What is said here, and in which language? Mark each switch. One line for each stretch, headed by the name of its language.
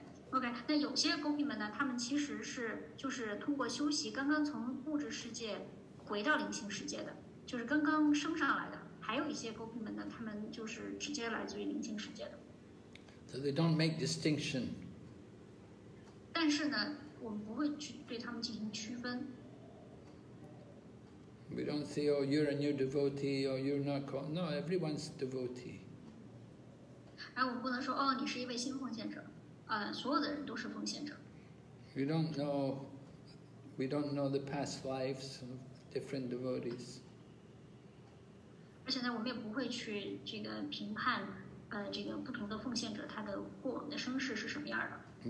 Chinese: Okay, 那有些gopi们呢，他们其实是就是通过修习，刚刚从物质世界回到灵性世界的，就是刚刚升上来的。还有一些gopi们呢，他们就是直接来自于灵性世界的。
English: So they don't make distinction.
Chinese: 但是呢，我们不会去对他们进行区分。
English: We don't say, "Oh, you're a new devotee," or "You're not called." No, everyone's a devotee.
Chinese: 哎，我们不能说哦，你是一位新奉献者。
English: We don't know the past lives of different devotees.
Chinese: 而且呢，我们也不会去这个评判，这个不同的奉献者他的过往的生世是什么样的。